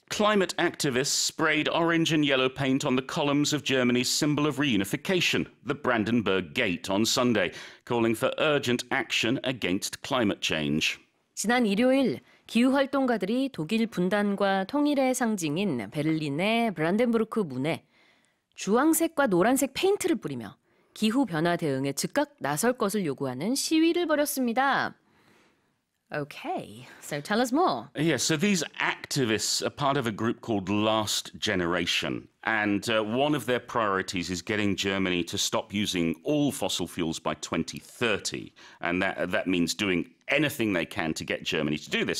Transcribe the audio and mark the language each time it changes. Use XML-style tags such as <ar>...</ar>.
<en>Climate activists sprayed orange and yellow paint on the columns of Germany's symbol of reunification, the Brandenburg Gate, on Sunday, calling for urgent action against climate change.</en> <ko>지난 일요일, 기후 활동가들이 독일 분단과 통일의 상징인 베를린의 브란덴부르크 문에 주황색과 노란색 페인트를 뿌리며 기후 변화 대응에 즉각 나설 것을 요구하는 시위를 벌였습니다.</ko> <en>Okay, so tell us more. Yes, so these activists are part of a group called Last Generation, and one of their priorities is getting Germany to stop using all fossil fuels by 2030, and that means doing anything they can to get Germany to do this.</en>